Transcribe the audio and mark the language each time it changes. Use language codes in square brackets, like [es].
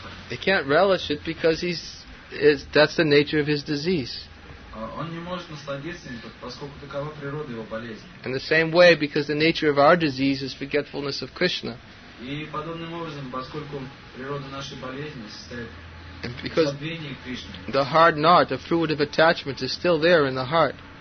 [en] They can't relish it because that's the nature of his disease. [ru] Он не может насладиться им, поскольку такова природа его болезни. [en] In the same way, because the nature of our disease is forgetfulness of Krishna. [ru] И подобным образом, поскольку природа нашей болезни состоит [en] Because the hard knot, the fruit of attachment, is still there in the heart.